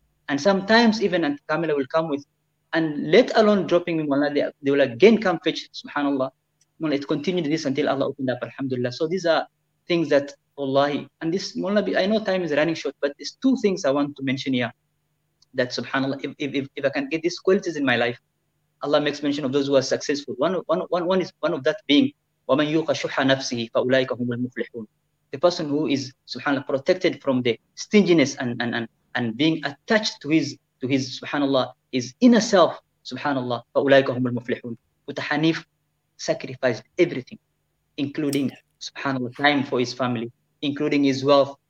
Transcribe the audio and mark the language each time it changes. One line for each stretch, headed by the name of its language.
English: And sometimes even Aunt Kamila will come with, and let alone dropping me, they will again come fetch, subhanAllah. Mullah, it continued this until Allah opened up, alhamdulillah. So these are things that, wallahi, and this, Mullah, I know time is running short, but there's two things I want to mention here, that subhanAllah, if I can get these qualities in my life, Allah makes mention of those who are successful. One is one of that being,
Arabic: وَمَنْ يُوقَ شُحَّ نَفْسِهِ فَأُولَٰئِكَ هُمُ الْمُفْلِحُونَ.
English: The person who is, subhanAllah, protected from the stinginess and being attached to his subhanAllah, his inner self, subhanAllah,
Arabic: فَأُولَٰئِكَ هُمُ الْمُفْلِحُونَ.
English: Butahanif sacrificed everything, including, subhanAllah, time for his family, including his wealth.